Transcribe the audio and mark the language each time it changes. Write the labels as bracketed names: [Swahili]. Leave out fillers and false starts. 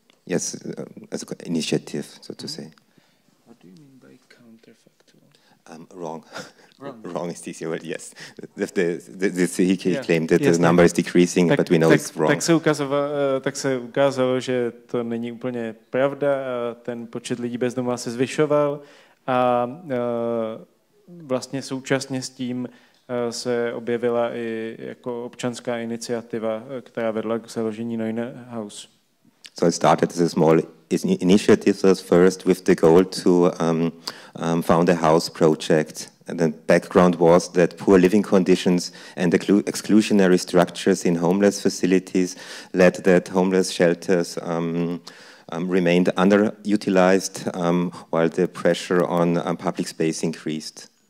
[English] As an initiative, so to say. What do you mean by counterfactual? Wrong is easier, but yes. He claimed that the number is decreasing, [Czech] tak, [English] but we know it's wrong. [Czech] Tak se ukázalo, že to není úplně pravda, ten počet lidí bez domova se zvyšoval a vlastně současně s tím se objevila i jako občanská iniciativa, která vedla k založení Neunerhaus. [English] So it started as a small initiative first with the goal to found a house project. And the background was that poor living conditions and exclusionary structures in homeless facilities led that homeless shelters remained underutilized while the pressure on public space increased.